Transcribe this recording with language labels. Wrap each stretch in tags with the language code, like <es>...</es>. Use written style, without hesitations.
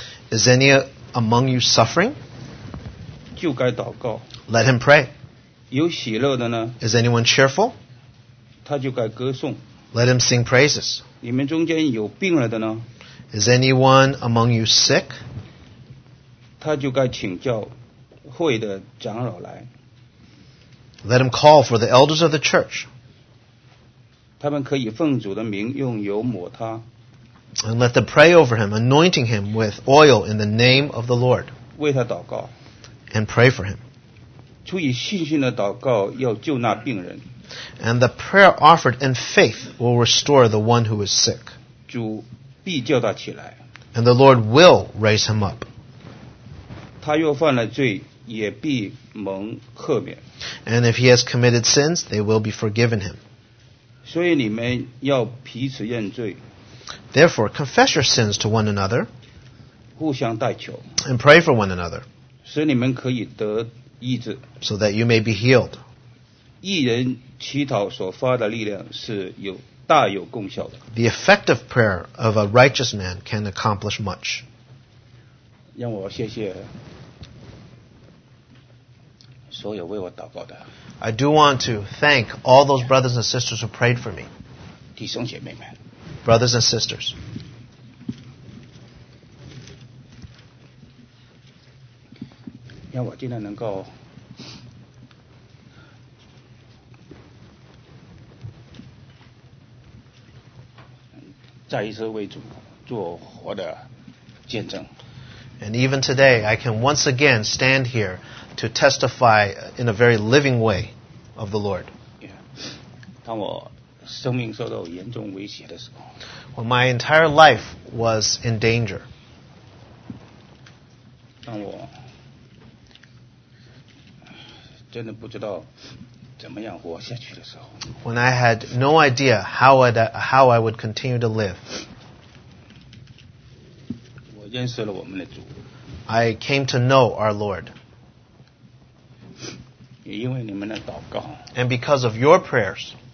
<en>Is any among you suffering?</en> <zh>就该祷告。</zh> <en>Let him pray.</en> <zh>有喜乐的呢？</zh> <en>Is anyone cheerful?</en> <zh>他就该歌颂。</zh> <en>Let him sing praises.</en> <zh>你们中间有病了的呢？</zh> <en>Is anyone among you sick?</en> <zh>他就该请教会的长老来。</zh> <en>Let him call for the elders of the church.</en> <zh>他们可以奉主的名用油抹他。</zh> <en>And let them pray over him, anointing him with oil in the name of the Lord.</en> <zh>为他祷告。</zh> <en>And pray for him.</en> <zh>出于信心的祷告要救那病人。</zh> <en>And the prayer offered in faith will restore the one who is sick.</en> <zh>主必叫他起来。</zh> <en>And the Lord will raise him up.</en> <zh>他若犯了罪也必蒙赦免。</zh> <en>And if he has committed sins, they will be forgiven him.</en> <zh>所以你们要彼此认罪。</zh> <en>Therefore, confess your sins to one another</en> <zh>互相代求,</zh> <en>and pray for one another</en> <zh>使你们可以得医治,</zh> <en>so that you may be healed.</en> <zh>一人祈祷所发的力量是有大有功效的。</zh> <en>The effective prayer of a righteous man can accomplish much.</en> <zh>让我谢谢所有为我祷告的。</zh> <en>I do want to thank all those brothers and sisters who prayed for me.</en> <zh>弟兄姐妹们。</zh> <en>Brothers and sisters.</en> <zh>让我今天能够再一次为主做活的见证。</zh> <en>And even today, I can once again stand here to testify in a very living way of the Lord. Yeah.</en> <zh>当我生命受到严重威胁的时候。</zh> <en>When my entire life was in danger.</en> <zh>当我真的不知道怎么样活下去的时候。</zh> <en>When I had no idea how I would continue to live.</en> <zh>我认识了我们的主。</zh> <en>I came to know our Lord.</en> <zh>也因为你们的祷告。</zh> <en>And because of your prayers.</en>